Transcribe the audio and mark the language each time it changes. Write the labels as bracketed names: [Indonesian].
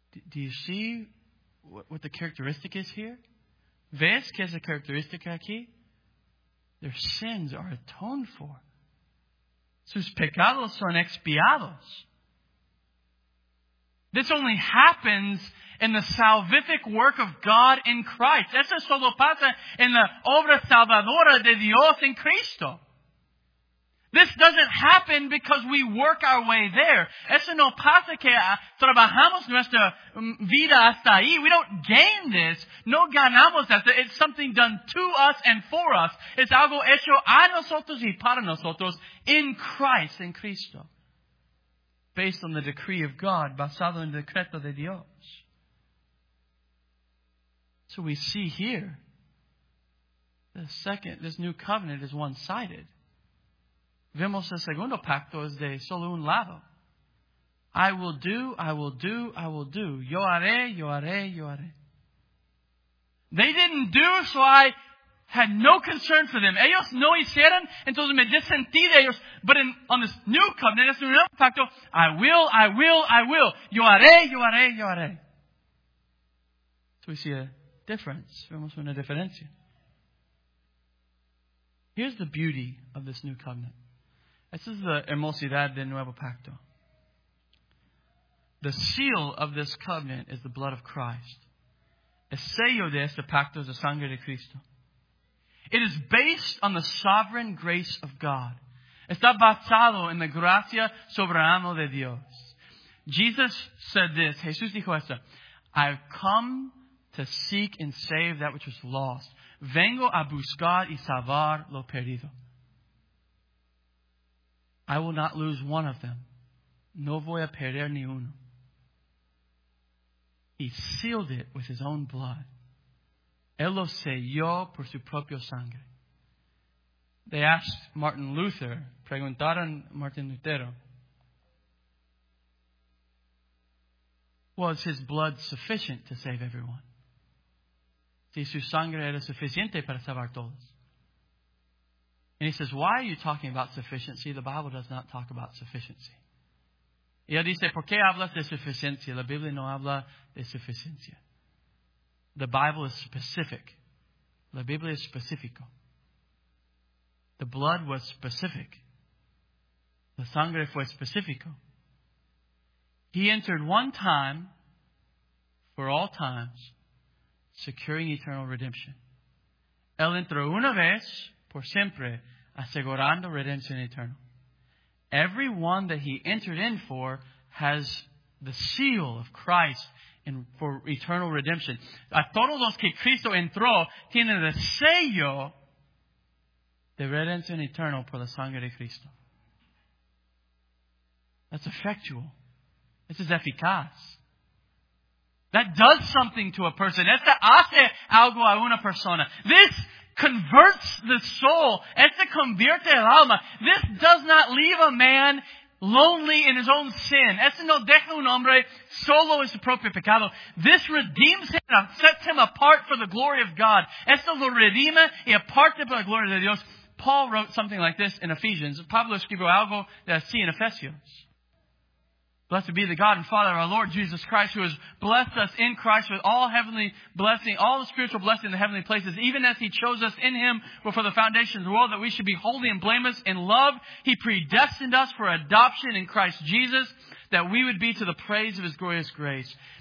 [English] Do you see what the characteristic is here? [Spanish] ¿Ves qué es la característica aquí? [English] Their sins are atoned for. [Spanish] Sus pecados son expiados. [English] This only happens in the salvific work of God in Christ. [Spanish] Eso solo pasa en la obra salvadora de Dios en Cristo. [English] This doesn't happen because we work our way there. [Spanish] Eso no pasa que trabajamos nuestra vida hasta ahí. [English] We don't gain this. [Spanish] No ganamos esto. [English] It's something done to us and for us. [Spanish] Es algo hecho a nosotros y para nosotros [English] in Christ, [Spanish] in Cristo. [English] Based on the decree of God, [Spanish] basado en el decreto de Dios. [English] So we see here, this new covenant is one-sided. [Spanish] Vemos el segundo pacto es de solo un lado. [English] I will do, I will do, I will do. [Spanish] Yo haré, yo haré, yo haré. [English] They didn't do, so I had no concern for them. [Spanish] Ellos no hicieron, entonces me desentí de ellos. [English] But in, on this new covenant, this new pacto, I will, I will, I will. [Spanish] Yo haré, yo haré, yo haré. [English] So we see a difference. [Spanish] Vemos una diferencia. [English] Here's the beauty of this new covenant. This is the [Spanish] hermosidad del nuevo pacto. [English] The seal of this covenant is the blood of Christ. [Spanish] El sello de este pacto es la sangre de Cristo. [English] It is based on the sovereign grace of God. [Spanish] Está basado en la gracia soberana de Dios. [English] Jesus said this. [Spanish] Jesús dijo esto. [English] I have come to seek and save that which was lost. [Spanish] Vengo a buscar y salvar lo perdido. [English] I will not lose one of them. [Spanish] No voy a perder ni uno. [English] He sealed it with his own blood. [Spanish] Él lo selló por su propio sangre. [English] They asked Martin Luther, [Spanish] preguntaron Martin Lutero, [English] was his blood sufficient to save everyone? [Spanish] Si su sangre era suficiente para salvar todos. [English] And he says, why are you talking about sufficiency? The Bible does not talk about sufficiency. [Spanish] Y él dice, ¿por qué hablas de suficiencia? La Biblia no habla de suficiencia. [English] The Bible is specific. [Spanish] La Biblia es específico. [English] The blood was specific. [Spanish] La sangre fue específico. [English] He entered one time for all times, securing eternal redemption. [Spanish] Él entró una vez por siempre, asegurando redención eterna. [English] Every one that he entered in for has the seal of Christ in, for eternal redemption. [Spanish] A todos los que Cristo entró tienen el sello de redención eterna por la sangre de Cristo. [English] That's effectual. This is eficaz. That does something to a person. [Spanish] Esta hace algo a una persona. [English] This converts the soul. [Spanish] Este convierte el alma. [English] This does not leave a man lonely in his own sin. [Spanish] Este no deja un hombre solo en su propio pecado. [English] This redeems him and sets him apart for the glory of God. [Spanish] Este lo redime y aparte para la gloria de Dios. [English] Paul wrote something like this in Ephesians. [Spanish] Pablo escribió algo de así en Efesios. [English] Blessed be the God and Father of our Lord Jesus Christ, who has blessed us in Christ with all heavenly blessing, all the spiritual blessing in the heavenly places, even as He chose us in Him before the foundation of the world, that we should be holy and blameless in love. He predestined us for adoption in Christ Jesus, that we would be to the praise of His glorious grace.